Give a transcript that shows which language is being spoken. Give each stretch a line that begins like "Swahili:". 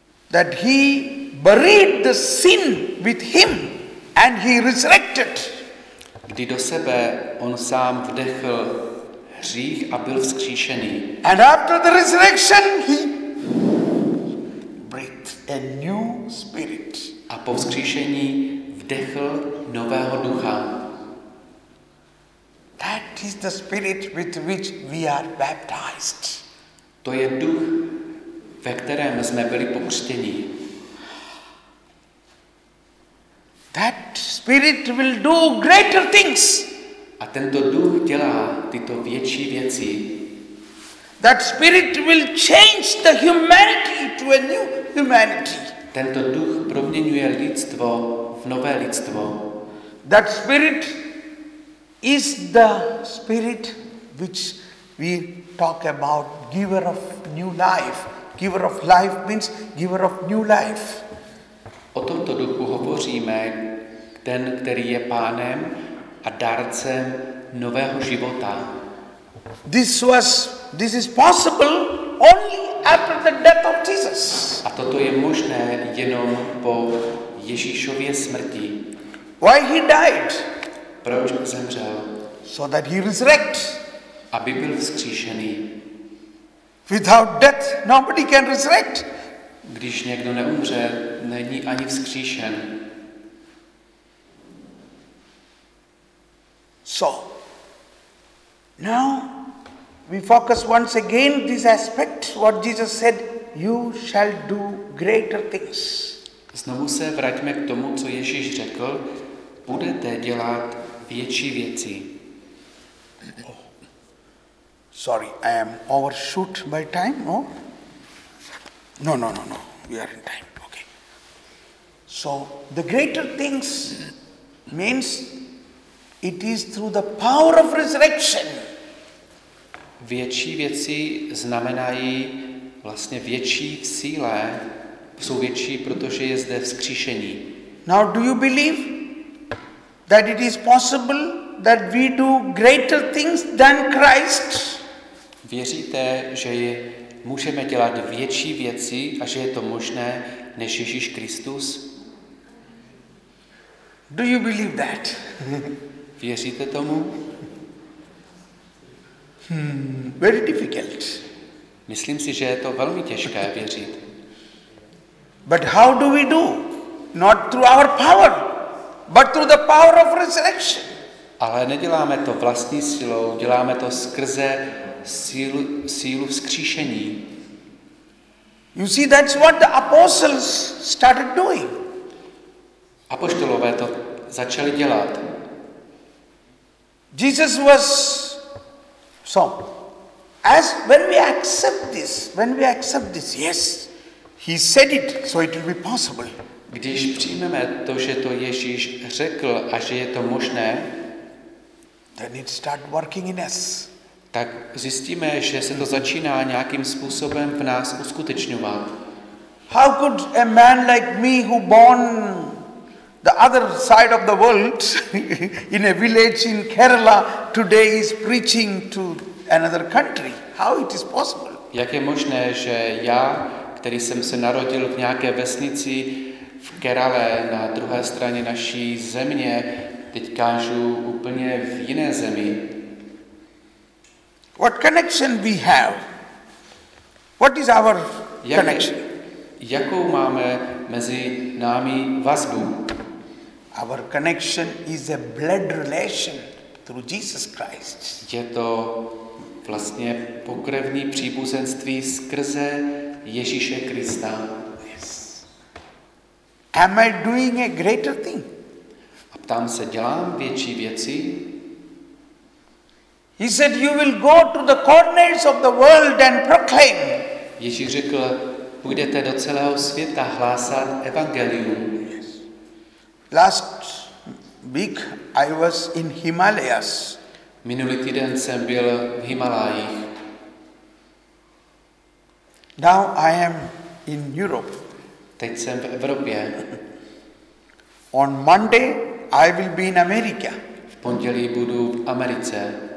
English: That he buried the sin with him and he resurrected.
Czech: Kdy do sebe on sám vdechl hřích a byl vzkříšený.
English: And after the resurrection he breathed a new spirit.
Czech: A po vzkříšení vdechl nového ducha.
English: That is the spirit with which we are baptized.
Czech: To je duch, ve kterém jsme byli pokřtěni.
English: That spirit will do greater things.
Czech: A tento duch dělá tyto větší věci.
English: That spirit will change the humanity to a new humanity.
Czech: Tento duch proměňuje lidstvo v nové lidstvo.
English: That spirit is the spirit which we talk about, giver of new life. Giver of life means giver of new life.
Czech: O tomto duchu hovoříme, ten, který je pánem a dárcem nového života.
English: This is possible only after the death of Jesus.
Czech: A toto je možné jenom po Ježíšově smrti.
English: Why he died?
Czech: Proč zemřel?
English: So that he resurrects.
Czech: Aby byl vzkříšený.
English: Without death nobody can resurrect.
Czech: Když někdo neumře, není ani vzkříšen.
English: So, now we focus once again this aspect, what Jesus said, you shall do greater things.
Czech: Znovu se vraťme k tomu, co Ježíš řekl, budete dělat větší věci.
English: Sorry, I am overshoot by time, no? No, we are in time, okay. So, the greater things means it is through the power of resurrection.
Czech: Větší věci znamenají vlastně větší síle, jsou větší, protože je zde vzkříšení.
English: Now do you believe that it is possible that we do greater things than Christ?
Czech: věříte, že můžeme dělat větší věci a že je to možné než Ježíš Kristus?
English: Do you believe that?
Czech: Věříte tomu?
English: Very difficult.
Czech: Myslím si, že je to velmi těžké věřit.
English: But how do we do? Not through our power, but through the power of resurrection.
Czech: Ale neděláme to vlastní silou, děláme to skrze sílu vzkříšení.
English: You see, that's what the apostles started doing.
Czech: Apoštolové to začali dělat.
English: Jesus was so. As when we accept this, yes, he said it, so it will be possible.
Czech: Když přijmeme to, že to Ježíš řekl a že je to možné,
English: then it start working in us.
Czech: Tak zjistíme, že se to začíná nějakým způsobem v nás uskutečňovat.
English: How could a man like me who born the other side of the world in a village in Kerala today is preaching to another country? How it is possible?
Czech: Jak je možné, že já, který jsem se narodil v nějaké vesnici v Kerale na druhé straně naší země, teď kážu úplně v jiné zemi?
English: What connection we have? What is our connection?
Czech: Jakou máme mezi námi vazbu?
English: Our connection is a blood relation through Jesus Christ.
Czech: Je to vlastně pokrevní příbuzenství skrze Ježíše Krista.
English: Yes. Am I doing a greater thing?
Czech: A ptám se, dělám větší věci?
English: He said, you will go to the corners of the world and proclaim.
Czech: Ježíš řekl, půjdete do celého světa hlásat evangelium.
English: Yes. Last week I was in Himalayas.
Czech: Minulý týden jsem byl v Himalájích.
English: Now I am in Europe.
Czech: Teď jsem v Evropě.
English: On Monday I will be in America.
Czech: V pondělí budu v Americe.